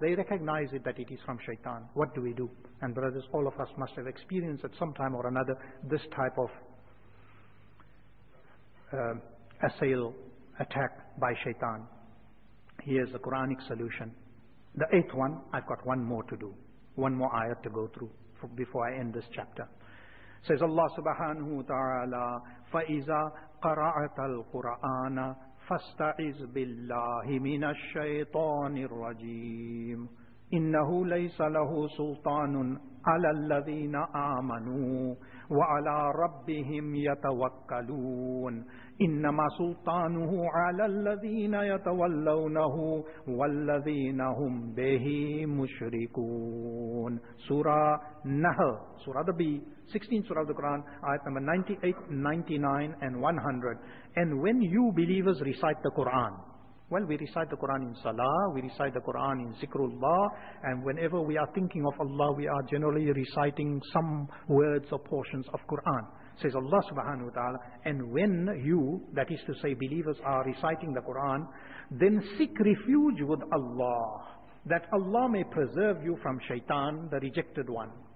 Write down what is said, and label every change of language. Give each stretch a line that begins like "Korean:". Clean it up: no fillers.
English: They recognize it, that it is from shaitan. What do we do? And brothers, all of us must have experienced at some time or another this type of assail, attack by shaitan. Here's the Quranic solution. The eighth one, I've got one more to do. One more ayat to go through before I end this chapter.
Arabic: Says Allah subhanahu wa ta'ala, فَإِذَا قَرَعَتَ الْقُرْآنَ فَاسْتَعِذْ بِاللَّهِ مِنَ الشَّيْطَانِ الرَّجِيمِ إِنَّهُ لَيْسَ لَهُ سُلْطَانٌ عَلَى الَّذِينَ آمَنُوا وَعَلَىٰ رَبِّهِمْ يَتَوَكَّلُونَ إِنَّمَا سُلْطَانُهُ عَلَىٰ الَّذِينَ يَتَوَلَّوْنَهُ وَالَّذِينَ هُمْ بِهِ مُشْرِكُونَ
English: Surah Nahl, Surah the B, 16th Surah of the Quran, Ayat number 98, 99 and 100. And when you believers recite the Quran... Well, we recite the Quran in Salah, we recite the Quran in Zikrullah, and whenever we are thinking of Allah, we are generally reciting some words or portions of Quran. Says Allah subhanahu wa ta'ala, and when you, that is to say believers, are reciting the Quran, then seek refuge with Allah, that Allah may preserve you from shaitan, the rejected one.